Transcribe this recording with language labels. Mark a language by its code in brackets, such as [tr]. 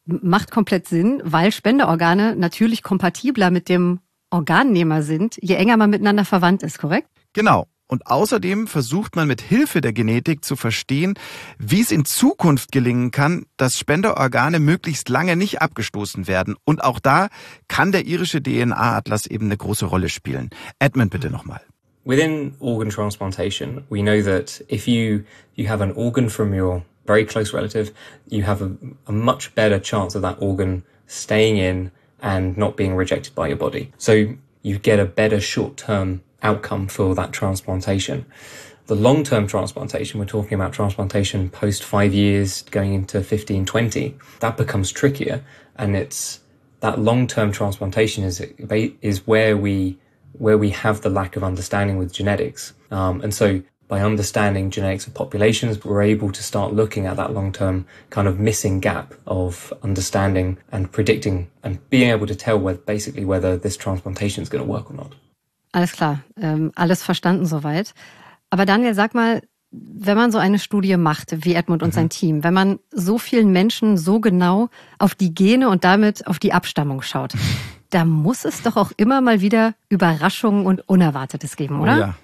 [de] Macht komplett Sinn, weil Spenderorgane natürlich kompatibler mit dem Organnehmer sind, je enger man miteinander verwandt ist, korrekt? Genau. Und außerdem versucht man mit Hilfe der Genetik zu verstehen, wie es in Zukunft gelingen kann, dass Spenderorgane möglichst lange nicht abgestoßen werden. Und auch da kann der irische DNA-Atlas eben eine große Rolle spielen. Edmund, bitte nochmal. [en] Within organ transplantation, we know that if you have an organ from your very close relative, you have a much better chance of that organ staying in and not being rejected by your body. So you get a better short-term outcome for that transplantation. The long-term transplantation, we're talking about transplantation post 5 years going into 15, 20, that becomes trickier. And it's that long-term transplantation is where we have the lack of understanding with genetics. And so by understanding genetics of populations, we're able to start looking at that long-term kind of missing gap of understanding and predicting and being able to tell whether this transplantation is going to work or not. [de] Alles klar, alles verstanden soweit. Aber Daniel, sag mal, wenn man so eine Studie macht, wie Edmund und sein Team, wenn man so vielen Menschen so genau auf die Gene und damit auf die Abstammung schaut, da muss es doch auch immer mal wieder Überraschungen und Unerwartetes geben, oder?